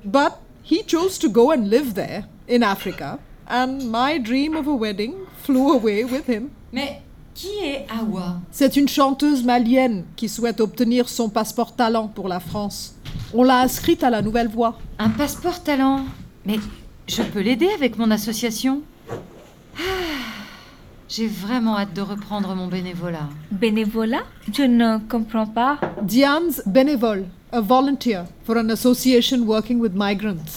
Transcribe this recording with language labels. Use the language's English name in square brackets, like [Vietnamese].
[English] But he chose to go and live there, in Africa. And my dream of a wedding flew away with him. [French] Mais qui est Awa? C'est une chanteuse malienne qui souhaite obtenir son passeport talent pour la France. On l'a inscrite à la Nouvelle Voie. Un passeport talent? Mais je peux l'aider avec mon association? Ah, j'ai vraiment hâte de reprendre mon bénévolat. Bénévolat? Je ne comprends pas. [English] Diane's bénévole. A volunteer for an association working with migrants.